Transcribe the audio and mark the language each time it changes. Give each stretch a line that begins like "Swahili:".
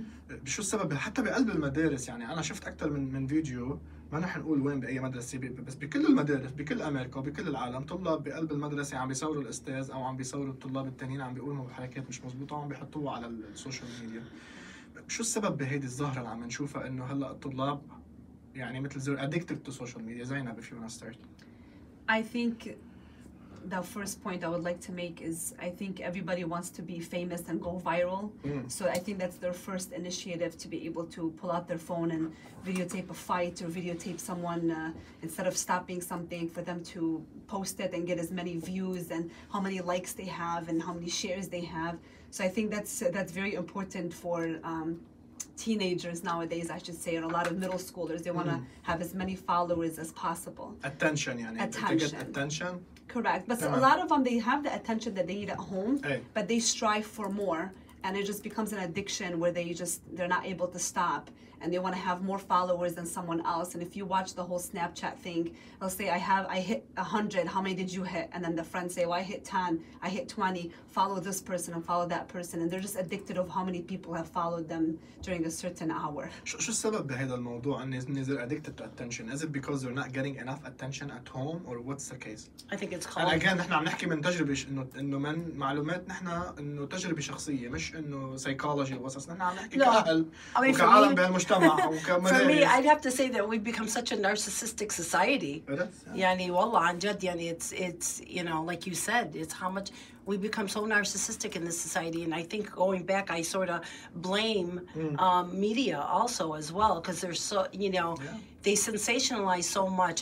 Arabic: بشو السبب؟ حتى بقلب المدارس, يعني أنا شفت أكتر من فيديو, ما نح نقول وين بأي مدرسة, بس بكل المدارس بكل أمريكا وبكل العالم, طلاب بقلب المدرسة عم بيصوروا الأستاذ أو عم بيصوروا الطلاب التانيين عم بيقولوا حركات مش مزبوطة وعم بيحطوها على السوشيال ميديا. شو السبب بهيدي الظاهرة اللي عم نشوفها, إنه هلأ الطلاب يعني مثل زور
English: addicted to social media؟
Arabic: زينب,
English: if you wanna start. I think the first point I would like to make is I think everybody wants to be famous and go viral. So I think that's their first initiative, to be able to pull out their phone and videotape a fight or videotape someone instead of stopping something, for them to post it and get as many views and how many likes they have and how many shares they have. So I think that's very important for teenagers nowadays, I should say, or a lot of middle schoolers. They want to have as many followers as possible. Attention, yani. Attention. Correct. But so a lot of them, they have the attention that they need at home, but they strive for more, and it just becomes an addiction where they're not able to stop, and they want to have more followers than someone else. And if you watch the whole Snapchat thing, they'll say, I hit 100, how many did you hit? And then the friends say, well, I hit 10, I hit 20, follow this person and follow that person. And they're just addicted of how many people have followed them during a certain hour.
Arabic: شو السبب بهذا الموضوع, ان
English: they're addicted to attention? Is it because they're not getting enough attention at home, or what's the case? I think it's called.
Arabic: And again, نحن عم نحكي من تجربة, انه من معلومات نحن, انه تجربة شخصية, مش انه psychology وصص. نحن عم نحكي كأهل وكعالم بهالمجتمع.
English: For me, I'd have to say that we've become such a narcissistic society.
Arabic: يعني والله عن جد, يعني
English: it's you know, like you said, it's how much we become so narcissistic in this society. And I think going back, I sort of blame media also as well, because they're so, you know, they sensationalize so much.